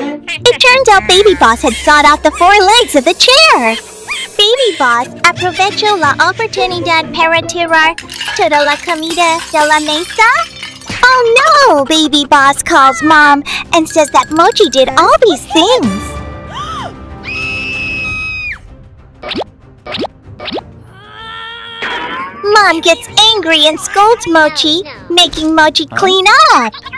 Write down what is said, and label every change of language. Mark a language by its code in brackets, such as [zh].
[en] It turns out Baby Boss had sawed off the four legs of the chair. [es] Baby Boss, aprovecho la oportunidad para tirar toda la comida de la mesa. [en] Oh no! Baby Boss calls Mom and says that Mochi did all these things. Mom gets angry and scolds Mochi, making Mochi clean up.